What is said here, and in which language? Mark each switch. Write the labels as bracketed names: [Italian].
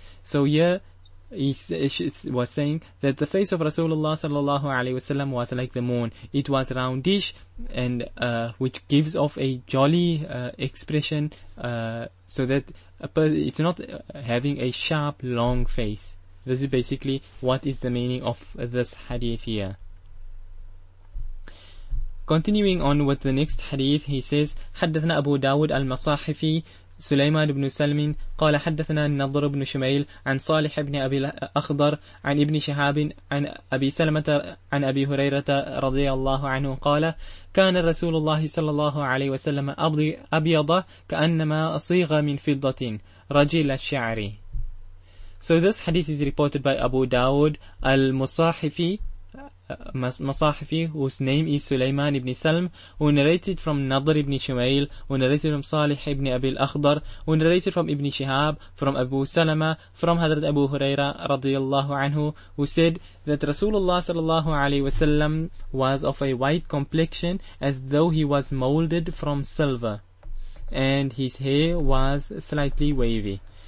[English] So here, he was saying that the face of Rasulullah sallallahu alaihi wasallam was like the moon. It was roundish, and which gives off a jolly expression, so that it's not having a sharp, long face. This is basically what is the meaning of this hadith here. [Arabic] Continuing on with the next hadith, he says, حدثنا أبو داود المصاحفي سليمان بن سلم قال حدثنا النضر بن شميل عن صالح بن أبي الأخضر عن ابن شهاب عن أبي سلمة عن أبي هريرة رضي الله عنه قال كان رسول الله صلى الله عليه وسلم أبيض كأنما صيغ من فضة رجل الشعر. [English] So this hadith is reported by Abu Dawud al-Musahifi, مصاحفي whose name is سليمان ابن سلم, who narrated from نضر ابن شميل, who narrated from صالح ابن أبي الأخضر, who narrated from ابن شهاب, from أبو سلمة, from حضرت أبو هريرة رضي الله عنه, who said that رسول الله صلى الله عليه وسلم was of a white complexion as though he was molded from silver, and his hair was slightly wavy.